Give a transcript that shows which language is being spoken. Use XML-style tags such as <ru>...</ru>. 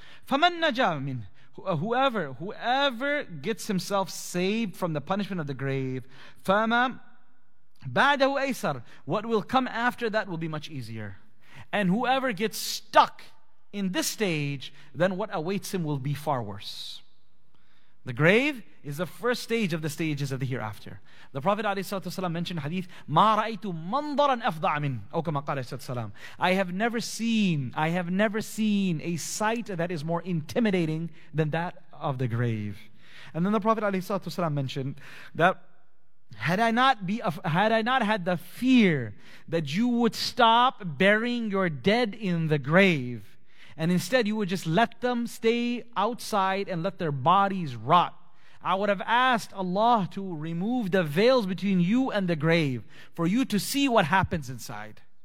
<ar>فَمَنْ نَجَى مِنْ</ar> <en>whoever gets himself saved from the punishment of the grave,</en> <ar>فَمَا بَعْدَهُ أَيْسَرٌ,</ar> <en>what will come after that will be much easier. And whoever gets stuck in this stage, then what awaits him will be far worse. The grave is the first stage of the stages of the hereafter. The Prophet ﷺ mentioned hadith,</en> <ar>مَا رَأَيْتُ مَنْظَرًا أَفْضَعَ مِنْ أَوْ كَمَا قَالَ ﷺ.</ar> <en>I have never seen a sight that is more intimidating than that of the grave. And then the Prophet ﷺ mentioned that Had I not had the fear that you would stop burying your dead in the grave, and instead you would just let them stay outside and let their bodies rot, I would have asked Allah to remove the veils between you and the grave for you to see what happens inside.</en>